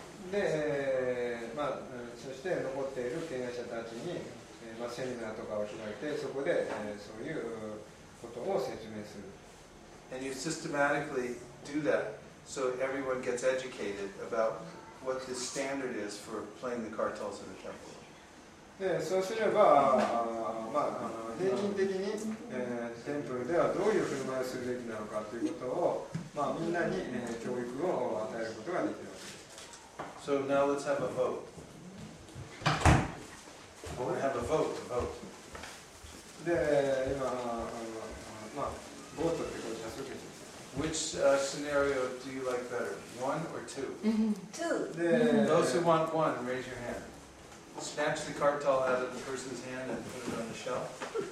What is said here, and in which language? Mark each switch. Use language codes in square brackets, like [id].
[ja] で、まあ、そして残っている経営者たちに、まあ、セミナーとかを開いて、そこで、そういうことを説明する。 [en] And you systematically do that so everyone gets educated about. What the standard is for playing the cartels in the temple. [ja] で、そうすれば、まあ、平均的に、テンプルではどういう振る舞いをするべきなのかということを、まあ、みんなに、教育を与えることができます。 [en] So now let's have a vote. We have a vote. Vote. [ja] で、今、まあ、ボートってことですね。 [en] Which scenario do you like better, one or two? Two. Those who want one, raise your hand. Snatch the cartel out of the person's hand and put it on the shelf.